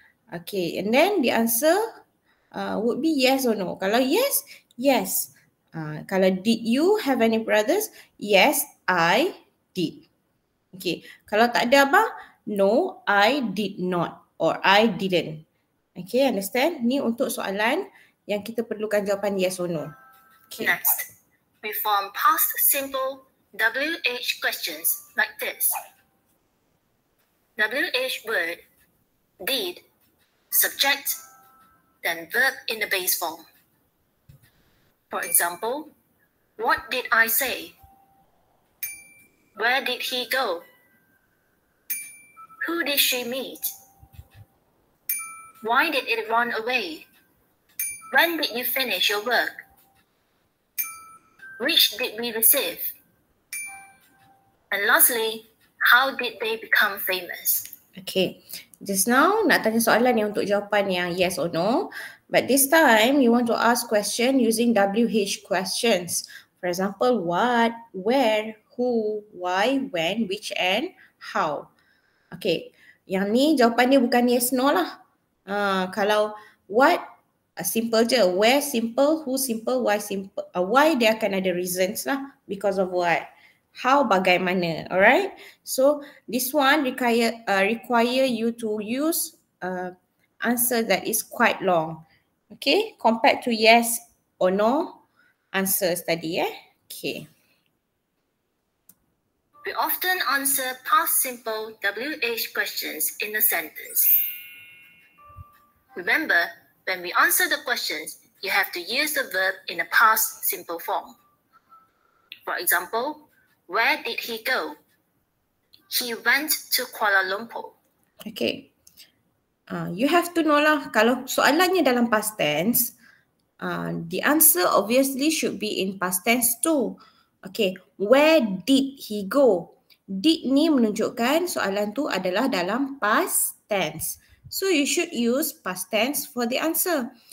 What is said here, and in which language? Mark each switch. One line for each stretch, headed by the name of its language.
English: Okay, and then the answer would be yes or no.
Malay: Kalau
English: yes, yes. Kalau did you have any brothers? Yes, I did. Okay,
Malay: kalau tak ada abang,
English: no, I did not or I didn't. Okay, understand?
Malay: Ni untuk soalan yang kita perlukan jawapan yes or no.
English: Okay. Next, we form past simple WH questions like this. WH word, did, subject, then verb in the base form. For example, what did I say? Where did he go? Who did she meet? Why did it run away? When did you finish your work? Which did we receive? And lastly, how did they become famous? Okay, just now
Malay: nak tanya soalan ni untuk jawapan yang yes or no.
English: But this time, you want to ask question using WH questions. For example, what, where, who, why, when, which and how.
Malay: Okay, yang ni jawapan dia bukan yes, no lah.
English: Kalau what, simple je. Where, simple, who, simple, why, simple. Why,
Malay: dia akan ada reasons lah.
English: Because of what. How, bagaimana. Alright? So, this one require you to use answer that is quite long. Okay, compared to yes or no answers
Malay: tadi,
English: Okay. We often answer past simple WH questions in a sentence. Remember, when we answer the questions, you have to use the verb in a past simple form. For example, where did he go? He went to Kuala Lumpur. Okay. You have to know lah,
Malay: kalau soalannya dalam
English: past tense, the answer obviously should be in past tense too. Okay, where did he go?
Malay: Did ni menunjukkan soalan tu adalah dalam past tense.
English: So you should use past tense for the answer.